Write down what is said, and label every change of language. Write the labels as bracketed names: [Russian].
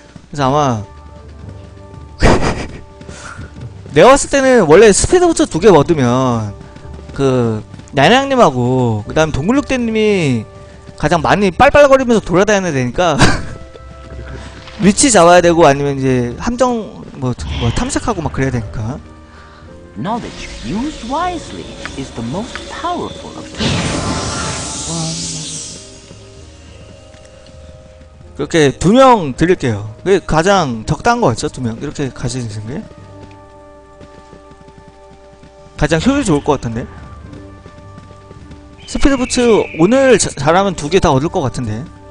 [Korean] 그래서 아마 내가 봤을 때는 원래 스피드 부처 두 개 얻으면 그 냐냥님하고 그 다음 동글육대님이 가장 많이 빨빨거리면서 돌아다녀야 되니까 위치 잡아야 되고 아니면 이제 함정 뭐 탐색하고 막 그래야 되니까. [English] Knowledge used wisely is the most powerful of tools. [Korean] 이렇게 두 명 드릴게요. 그게 가장 적당한 거 같죠? 두 명 이렇게 가지는 게 가장 효율 좋을 것 같은데. 스피드 부츠 오늘 잘하면 두 개 다 얻을 것 같은데.